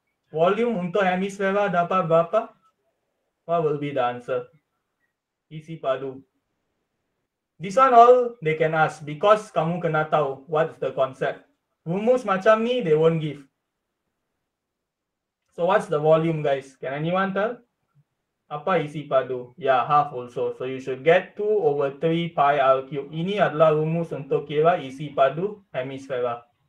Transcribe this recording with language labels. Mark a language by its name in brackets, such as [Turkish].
[Malay] Volume untuk hemisfera dapat berapa? [English] What will be the answer? [Malay] Isi padu. [English] This one all they can ask because [Malay] kamu kena tahu [English] what's the concept. [Malay] Rumus macam ni, [English] they won't give. So, what's the volume, guys? Can anyone tell? [Malay] Apa isi padu? [English] Yeah, half also. So you should get 2 over 3 pi r cube. [Malay] Ini adalah rumus untuk kira isi padu hemisfera.